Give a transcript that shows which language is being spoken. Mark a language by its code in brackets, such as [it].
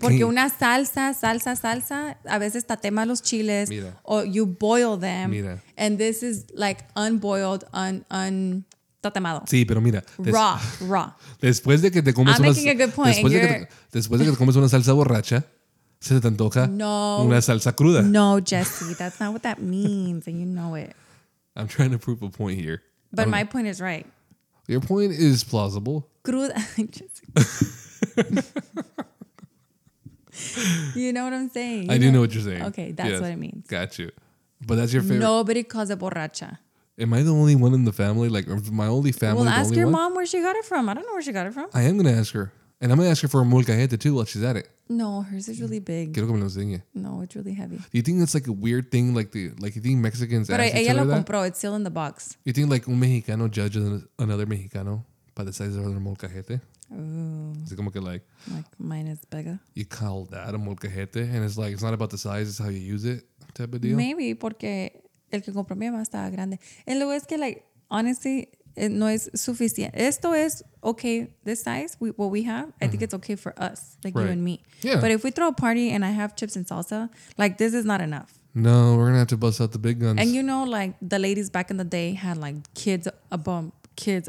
[es] porque una salsa, a veces tatema los chiles. Mira. [en] Or you boil them. [es] Mira. [en] And this is like unboiled, tatemado. [es] Sí, pero mira. [en] Raw. [es] Después de que te comes [en] I'm making a good point. [es] Después de que te comes una salsa borracha... Se te antoja una salsa cruda. [en] No, Jesse, that's not what that means, and you know it. I'm trying to prove a point here. But my point is right. Your point is plausible. Cruda, Jesse. You know what I'm saying? I do know what you're saying. Okay, that's what it means. Got you. But that's your favorite. Nobody calls it borracha. Am I the only one in the family? Like, my only family. Well, ask your mom where she got it from. I don't know where she got it from. I am going to ask her. And I'm going to ask her for a molcajete, too, while she's at it. No, hers is really big. [es] Quiero que me lo enseñe. [en] No, it's really heavy. Do you think that's like a weird thing? Like you think Mexicans [es] pero [en] ask [es] ella [en] each other [es] lo [en] that? [es] Compró. [en] It's still in the box. You think like un Mexicano judges another Mexicano by the size of their molcajete? Ooh. Is it [es] como que [en] like mine is bigger? You call that a molcajete? And it's like, it's not about the size, it's how you use it type of deal? [es] Maybe, porque el que compró mi mamá estaba grande. And luego es que like, honestly... No es suficiente. Esto es [en] okay, this size, what we have, I think it's okay for us, like right. You and me. Yeah. But if we throw a party and I have chips and salsa, like this is not enough. No, we're going to have to bust out the big guns. And you know, like the ladies back in the day had like kids above kids.